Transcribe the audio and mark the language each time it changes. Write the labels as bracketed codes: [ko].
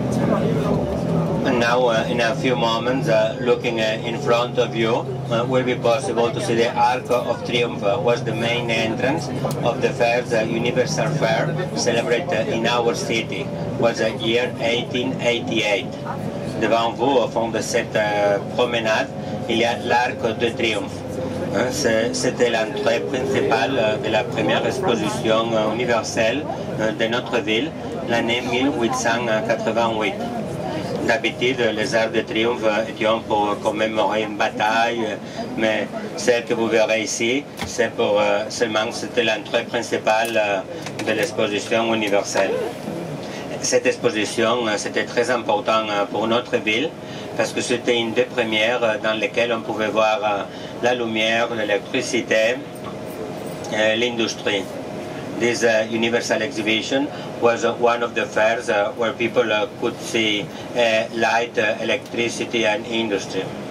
[en] a few moments, looking in front of you, will be possible to see the Arc of Triumph, was the main entrance of the fair, the Universal Fair, celebrated in our city. Was the year 1888. [fr] Devant vous, au fond de cette promenade, il y a l'Arc de Triomphe. C'était l'entrée principale de la première exposition universelle de notre ville, l'année 1888. D'habitude, les Arcs de Triomphe étaient pour commémorer une bataille, mais celle que vous verrez ici, c'est pour seulement c'était l'entrée principale de l'exposition universelle. Cette exposition, c'était très important pour notre ville, parce que c'était une des premières dans lesquelles on pouvait voir la lumière, l'électricité, l'industrie. [en] This Universal Exhibition was one of the fairs where people could see light, electricity and industry.